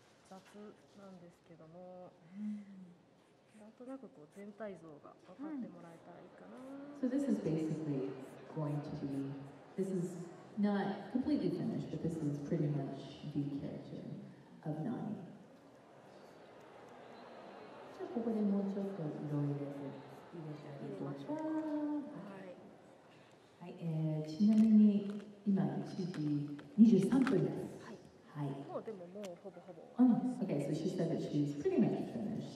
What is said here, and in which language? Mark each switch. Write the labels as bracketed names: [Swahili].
[Japanese] 雑なんですけども、なんとなくこう全体像が分かってもらえたらいいかな。 [English] So this is basically going to be, this is not completely finished, but this is pretty much the character of Nani. [Japanese] じゃあここでもうちょっと色を入れて、入れてあげましょう。はい、ちなみに今1時23分です。はい。もうでももうほぼほぼ。 [English] Okay, so she said that she's pretty much finished.